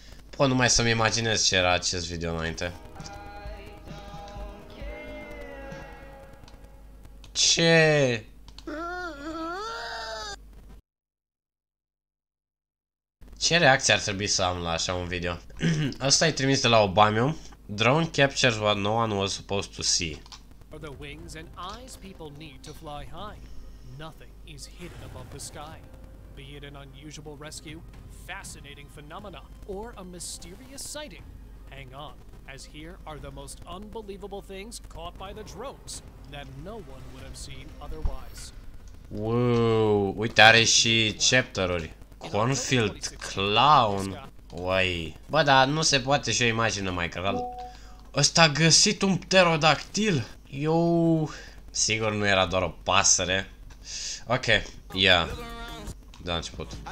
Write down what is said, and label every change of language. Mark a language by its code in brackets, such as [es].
[ro] Pot numai să-mi imaginez ce era acest video înainte. Ce? Ce reacție ar trebui să am la așa un video? Asta e trimis de la Obamium. [en] Drone captures what no one was supposed to see. The wings and eyes people need to fly high. Nothing is hidden above the sky. Be it an unusual rescue, fascinating phenomena, or a mysterious sighting. Hang on, as here are the most unbelievable things caught by the drones that no one would have seen otherwise. [ro] Wow, uite, are și chapter-uri. Cornfield Clown. Uai. Bă, dar nu se poate și o imagine mai crăl. Ăsta a găsit un pterodactil. Eu... Sigur nu era doar o pasăre. Ok, ia. Yeah. De la început.